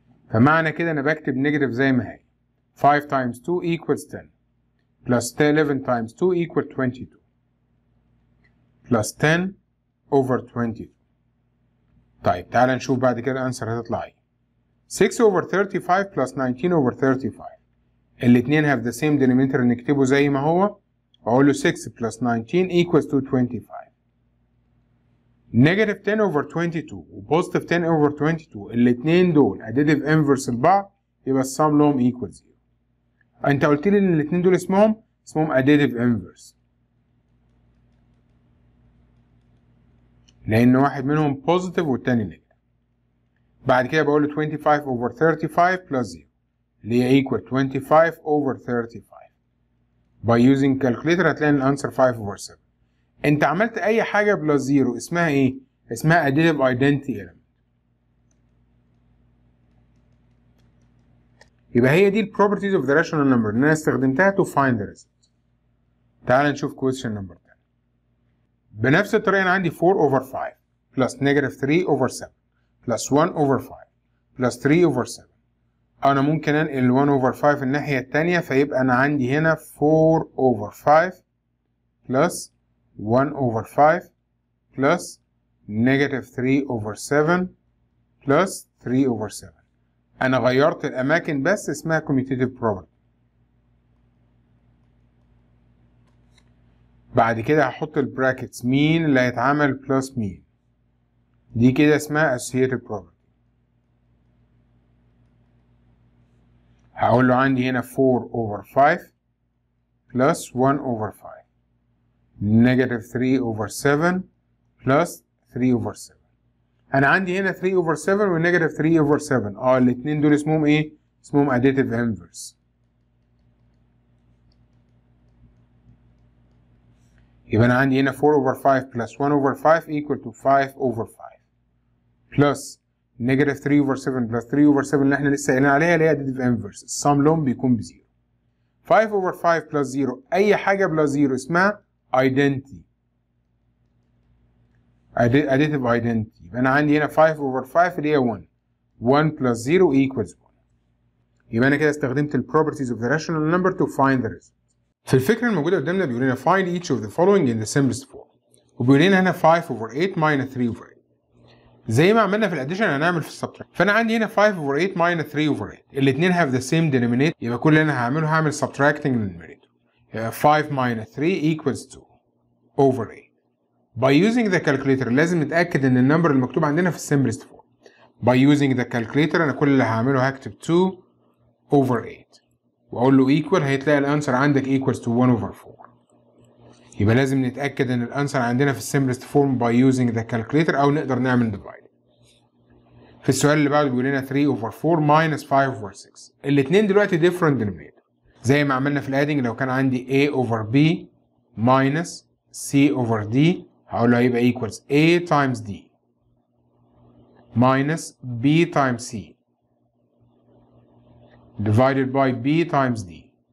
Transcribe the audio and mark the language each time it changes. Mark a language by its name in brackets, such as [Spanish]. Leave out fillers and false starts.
[Arabic] فمعنى كده انا بكتب [English] negative [Arabic] زي ما هي، [English] 5 times 2 equals 10 plus 11 times 2 equals 22 plus 10 over 22. [Arabic] طيب تعال نشوف بعد كده الانسر هتطلع ايه. [English] 6 over 35 plus 19 over 35 [Arabic] الاثنين [English] have the same denominator، [Arabic] نكتبه زي ما هو. أقول له [English] 6 plus 19 equals to 25. negative 10 over 22 و positive 10 over 22 [Arabic] الاثنين دول [English] additive inverse [Arabic] لبعض، يبقى السم لهم [English] equals 0. [Arabic] أنت قلت لي إن الاثنين دول اسمهم؟ اسمهم additive inverse، لأن واحد منهم positive والتاني negative. بعد كده بقول له [English] 25 over 35 plus 0 [Arabic] اللي هي [English] equal 25 over 35. by using calculator [Arabic] هتلاقي الانسر [English] 5 over 7. [Arabic] انت عملت اي حاجه بلس 0 اسمها ايه؟ اسمها [English] additive identity element. [Arabic] يبقى هي دي [English] البروبرتيز of the rational number [Arabic] اللي انا استخدمتها [English] To find the result. [Arabic] تعال نشوف [English] question number 10. [Arabic] بنفس الطريقه انا عندي [English] 4 over 5 plus negative 3 over 7 plus 1 over 5 plus 3 over 7. [Arabic] انا ممكن انقل ال [English] 1 over 5 [Arabic] الناحيه الثانيه، فيبقى انا عندي هنا [English] 4 over 5 plus 1 over 5 plus negative 3 over 7 [Arabic] plus 3 over 7. انا غيرت الاماكن بس اسمها commutative property. بعد كده هحط البراكتس مين اللي هيتعمل plus مين، دي كده اسمها associative property. هقول له عندي هنا [English] 4 over 5 plus 1 over 5 negative 3 over 7 plus 3 over 7. [Arabic] انا عندي هنا [English] 3 over 7 ونيجاتيف 3 over 7. [Arabic] الاثنين دول اسمهم ايه؟ اسمهم additive inverse. يبقى انا عندي هنا [English] 4 over 5 plus 1 over 5 equal to 5 over 5 plus negative 3 over 7 plus 3 over 7 [Arabic] اللي احنا لسه قايلين عليها اللي هي [English] additive inverse. [Arabic] السم لهم بيكون ب 0. [English] 5 over 5 plus 0 [Arabic] اي حاجه [English] plus 0 [Arabic] اسمها [English] identity. additive identity. [Arabic] يبقى انا عندي هنا 5 over 5 اللي هي 1. [English] 1 plus 0 equals 1. [Arabic] يبقى انا كده استخدمت ال [English] properties of the rational number to find the result. [Arabic] في الفكره الموجوده قدامنا بيقول لنا [English] find each of the following in the simplest form. [Arabic] وبيقول لنا هنا [English] 5 over 8 minus 3 over 8. [Arabic] زي ما عملنا في الاديشن هنعمل في السبتراكت. فانا عندي هنا [English] 5 over 8 minus 3 over 8 [Arabic] الاثنين [English] have the same denominator، [Arabic] يبقى كل اللي انا هعمله هعمل subtracting للنوميريتور. [English] 5 minus 3 equals 2 over 8. by using the calculator [Arabic] لازم نتاكد ان النمبر المكتوب عندنا في simplest form. [English] by using the calculator [Arabic] انا كل اللي هعمله هكتب [English] 2 over 8 [Arabic] واقول له equal، هيتلاقي الانسر عندك [English] equals to 1 over 4. [Arabic] يبقى لازم نتأكد ان الانسر عندنا في simplest form [English] by using the calculator، [Arabic] او نقدر نعمل divide. في السؤال اللي بعده بيقول لنا [English] 3 over 4 minus 5 over 6 [Arabic] الاثنين دلوقتي [English] different denominator، [Arabic] زي ما عملنا في الادينج. لو كان عندي [English] a over b minus c over d [Arabic] هقول له هيبقى [English] equals a times d minus b times c divided by b times d.